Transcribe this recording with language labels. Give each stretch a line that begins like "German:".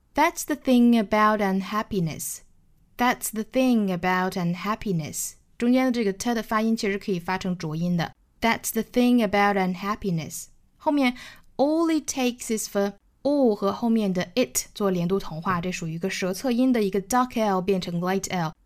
English: That's the thing about unhappiness. That's the thing about unhappiness.
Chinese: 中间的这个 t 的发音其实可以发成浊音的。
English: That's the thing about unhappiness.
Chinese: 后面
English: all it takes is for
Chinese: all 和后面的 it 做连读同化，这属于一个舌侧音的一个 dark l 变成 light l。